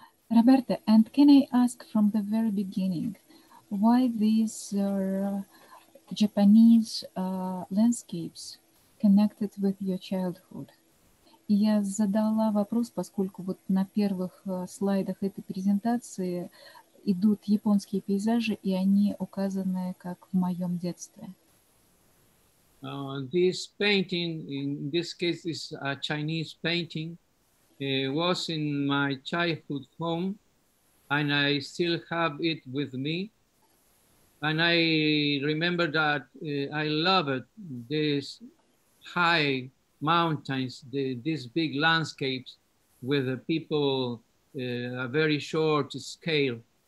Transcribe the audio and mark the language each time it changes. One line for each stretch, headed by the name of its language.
English: Roberto, and can I ask from the very beginning, why these Japanese landscapes connected with your childhood?
Russian: Я задала вопрос, поскольку вот на первых слайдах этой презентации идут японские пейзажи, и они указаны как в моем детстве.
English: This painting, in this case, is a Chinese painting. It was in my childhood home, and I still have it with me. And I remember that I loved these high mountains, these big landscapes with the people, a very short scale.